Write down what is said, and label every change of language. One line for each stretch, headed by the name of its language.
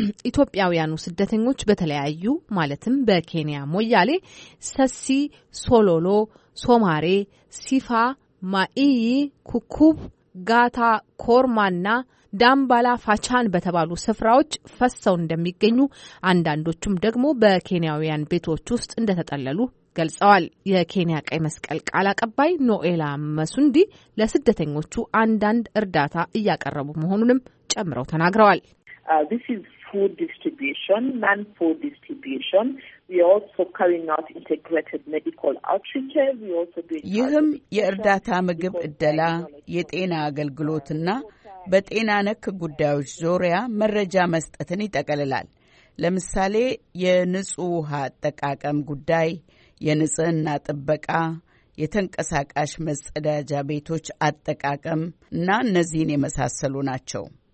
Amharic: ኢትዮጵያውያኑ ስደተኞች በተለያዩ ማለትም በኬንያ ሞያሌ፣ ሰሲ፣ ሶሎሎ፣ ሶማሬ፣ ሲፋ፣ ማኢይ፣ ኩኩብ፣ ጋታ፣ ኮርማና ዳምባላ ፋቻን በተባሉ ስፍራዎች ፈሰው እንደሚገኙ አንዳንዶቹም ደግሞ በኬንያውያን ቤቶች ውስጥ እንደተጠለሉ ገልጸዋል። የኬንያ ቀይ መስቀል ቃል አቀባይ ኖኤላ መሱንዲ ለስደተኞቹ አንዳንድ እርዳታ እያቀረቡ መሆኑንም ጨምረው ተናግረዋል።
English: This is food distribution, non-food distribution. We also carrying out integrated medical outreach. We also doing
Amharic: ይህም የእርዳታ ምግብ እደላ፣ የጤና አገልግሎትና በጤና ነክ ጉዳዮች ዙሪያ መረጃ መስጠትን ይጠቀልላል። ለምሳሌ የንጹህ ውሃ አጠቃቀም ጉዳይ፣ የንጽህና ጥበቃ፣ የተንቀሳቃሽ መጸዳጃ ቤቶች አጠቃቀም እና እነዚህን የመሳሰሉ ናቸው።